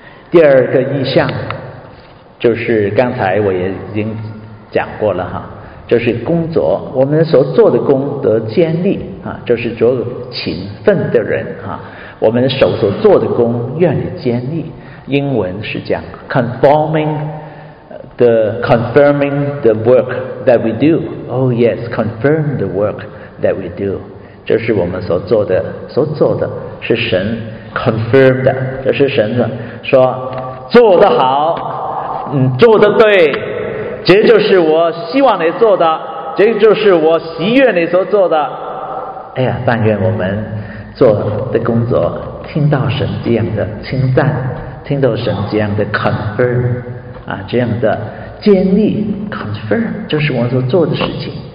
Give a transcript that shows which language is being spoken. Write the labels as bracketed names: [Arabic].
[Chinese] 第二个意象就是刚才我也已经讲过了哈，就是工作，我们所做的功德建立啊，就是做勤奋的人啊，我们手所做的功愿意建立，英文是这样 [English] confirming the work that we do. Oh yes, confirm the work that we do. [Chinese] 这是我们所做的是神 confirm 的，这是神的说做得好，做得对，这就是我希望你做的，这就是我喜悦你所做的。哎呀，但愿我们做的工作听到神这样的称赞，听到神这样的 confirm 啊，这样的建立 confirm 就是我所做的事情。